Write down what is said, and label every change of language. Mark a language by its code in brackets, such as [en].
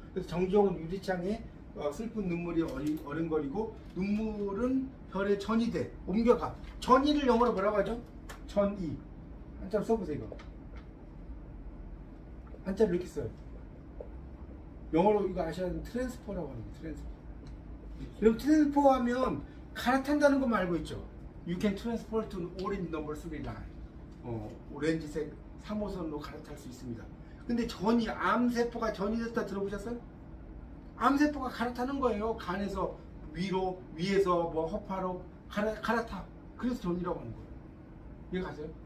[ko] 그래서 정지용은 유리창에 슬픈 눈물이 어른거리고 눈물은 별의 전이돼 옮겨가. 전이를 영어로 뭐라고 하죠? 전이. 한자로 써보세요. 이거 한자로 이렇게 써요. 영어로 이거 아셔야 하는 트랜스퍼라고 하는 거예요. 트랜스퍼. 그럼 트랜스퍼 하면 갈아탄다는 거 말고 있죠. [en] You can transport to an orange number three line. [ko] 오렌지색 3호선으로 갈아탈 수 있습니다. 근데 전이, 암세포가 전이 됐다 들어보셨어요? 암세포가 갈아타는 거예요. 간에서 위로, 위에서 뭐 허파로 갈아타. 그래서 전이라고 하는 거예요. 이해가세요?